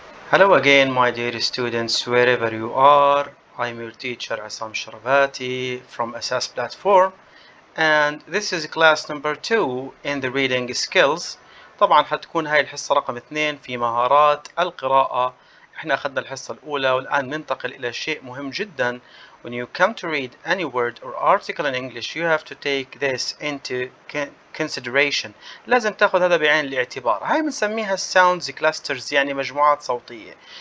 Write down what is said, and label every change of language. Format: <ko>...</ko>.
<en>Hello again, my dear students, wherever you are. I'm your teacher Asam Sharavati from Assess Platform, and this is class number 2 in the reading skills.</en> <ar>طبعا حتكون هاي الحصة رقم 2 في مهارات القراءة. احنا اخذنا الحصة الأولى والآن ننتقل إلى شيء مهم جدا.</ar> <en>When you come to read any word or article in English, you have to take this into consideration.</en> <ar>لازم تأخذ هذا بعين الاعتبار. هاي بنسميها sounds clusters، يعني مجموعات صوتية.</ar>